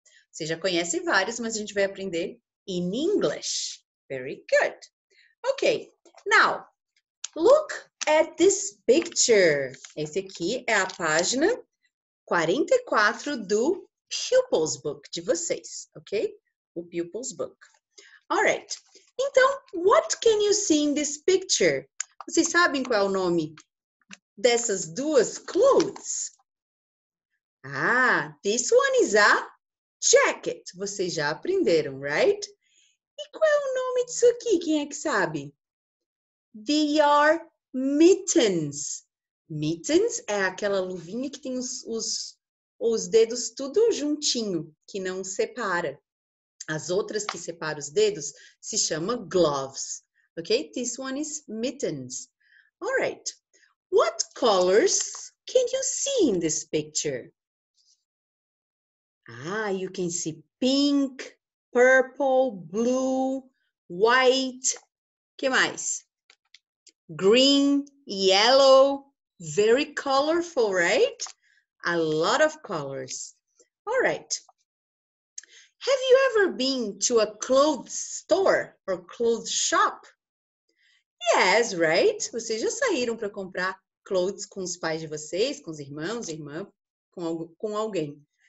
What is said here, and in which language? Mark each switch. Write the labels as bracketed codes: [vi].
[pt] Você já conhece vários, mas a gente vai aprender [en] in English. Very good. Okay. Now, look at this picture. [pt] Esse aqui é a página 44 do Pupils Book de vocês, ok? O Pupils Book. [en] All right. Então, what can you see in this picture? [pt] Vocês sabem qual é o nome dessas duas clothes? [en] Ah, this one is a jacket. [pt] Vocês já aprenderam, [en] right? [pt] E qual é o nome disso aqui? Quem é que sabe? [en] They are mittens. [pt] Mittens é aquela luvinha que tem os dedos tudo juntinho, que não separa. As outras que separam os dedos se chama gloves. Okay? [en] This one is mittens. All right. What colors can you see in this picture? Ah, you can see pink, purple, blue, white. [pt] Que mais? [en] Green, yellow. Very colorful, right? A lot of colors. All right. Have you ever been to a clothes store or clothes shop? Yes, right? [pt] Vocês já saíram para comprar clothes com os pais de vocês, com os irmãos, irmã, com alguém?